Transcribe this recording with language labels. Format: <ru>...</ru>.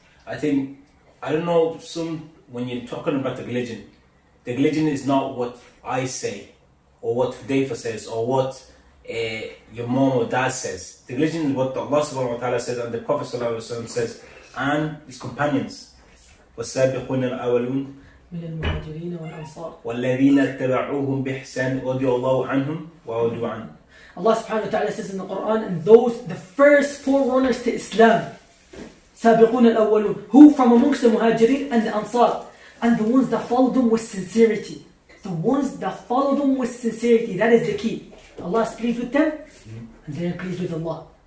<en>I think, I don't know, when you're talking about the religion is not what I say or what Hudayfa says or what your mom or dad says. The religion is what Allah subhanahu wa ta'ala says and the Prophet says and his companions.</en> <ar>والسابقون الأولون من المهاجرين والأنصار والذين اتبعوهم بإحسان رضي الله عنهم ورضوا عنه.</ar> <en>Allah subhanahu wa ta'ala says in the Quran, and those, the first forerunners to Islam,</en> <ar>سابقون الأولون.</ar> <en>Who from amongst the Muhajirin and the Ansar? And the ones that followed them with sincerity. The ones that followed them with sincerity. That is the key. Allah is pleased with them, and they are pleased with Allah.</en>